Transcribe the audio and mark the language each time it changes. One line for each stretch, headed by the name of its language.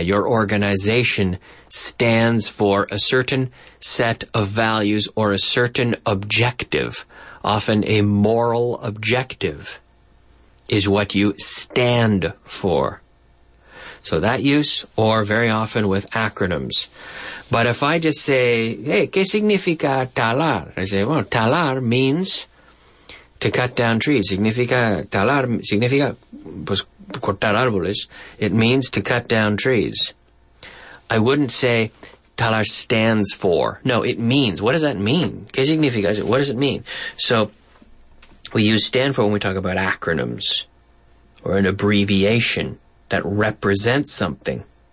English: Your organization stands for a certain set of values or a certain objective, often a moral objective, is what you stand for. So that use, or very often with acronyms. But if I just say, hey,
Spanish: ¿qué significa talar?
English: I say, well, talar means to cut down trees.
Spanish: Significa talar, significa pues, cortar árboles.
English: It means to cut down trees. I wouldn't say talar stands for. No, it means. What does that mean?
Spanish: ¿Qué significa?
English: What does it mean? So we use stand for when we talk about acronyms or an abbreviation that represents something.